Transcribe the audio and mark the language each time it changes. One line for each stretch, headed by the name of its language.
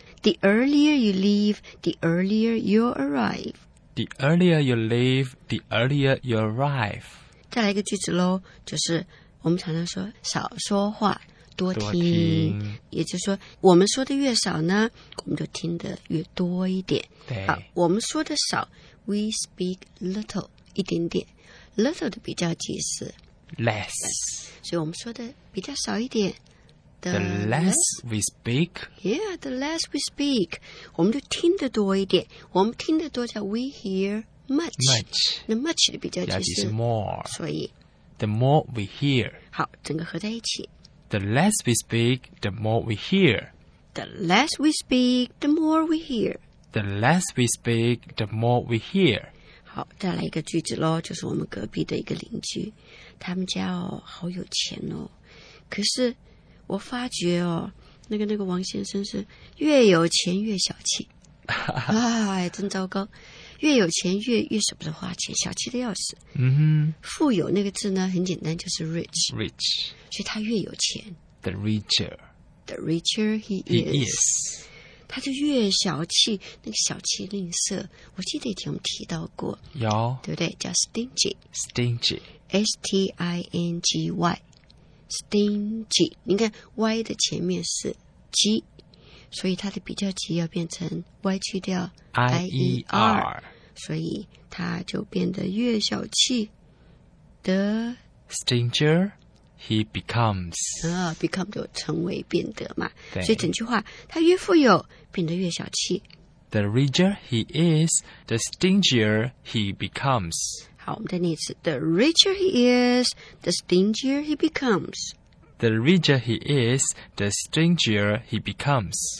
English: The earlier you leave, the earlier you arrive. The earlier you leave, the earlier you arrive.
Chinese: 再来一个句子喽，就是我们常常说少说话多听，也就是说我们说的越少呢，我们就听得越多一点。对，我们说的少。
English: We speak little,
Chinese: 一点点。 Little 的比较级是
English: less,
Chinese: 所以我们说的比较少一点。
English: The less we speak, yeah, the less we speak,
Chinese: 我们就听得多一点。我们听得多叫
English: we hear much, much.
Chinese: 那 much 的比较级是 more, 所以
English: the more we hear.
Chinese: 好，整个合在一起。
English: The less we speak, the more we hear. The less we speak, the more we hear. The less we speak, the more we hear.
Chinese: 好，再来一个句子咯，就是我们隔壁的一个邻居，他们家哦好有钱哦，可是我发觉哦，那个王先生是越有钱越小气，哎，真糟糕，越有钱越舍不得花钱，小气的要死。嗯哼，富有那个字呢，很简单，就是 rich.
English: Rich.
Chinese: 所以他越有钱，
English: the richer. The richer he is. He is.
Chinese: 他就越小气，那个小气吝啬。我记得以前我们提到过。有。对不对？叫 stingy。
English: Stingy。 S-T-I-N-G-Y。 Stingy。
Chinese: 你看 ,Y 的前面是 G。所以它的比较级要变成 Y 去掉
English: I-E-R。
Chinese: 所以它就变得越小气。The
English: stinger he becomes.
Chinese: Become 就成为变得嘛。所以整句话他越富有变得越小气。
English: The richer he is, the stingier he becomes.
Chinese: 好我们再念一次。
English: The richer he is, the stingier he becomes. The richer he is, the stingier he becomes.